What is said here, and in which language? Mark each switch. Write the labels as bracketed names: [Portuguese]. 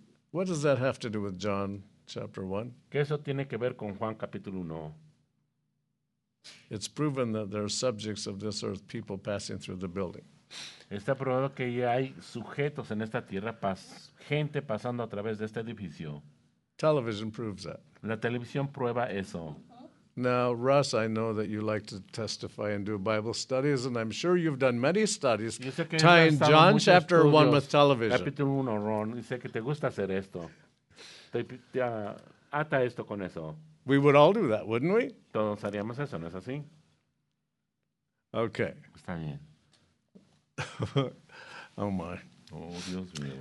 [English] What does that have to do with John chapter 1? [Spanish] ¿Qué eso tiene que ver con Juan capítulo 1? [English] It's proven that there are subjects of this earth, people passing through the building. [Spanish] Está probado que ya hay sujetos en esta tierra, gente pasando a través de este edificio. [English] Television proves that. [Spanish] La televisión prueba eso. [English] Now, Russ, I know that you like to testify and do Bible studies, and I'm sure you've done many studies tying John chapter 1 with television. [Spanish] Capítulo 1, Ron, y sé que te gusta hacer esto. Ata esto con eso. [English] We would all do that, wouldn't we? [Spanish] Todos haríamos eso, ¿no es así? [English] Okay. [Spanish] Está bien. [English] Oh, my. [Spanish] Oh, Dios mío.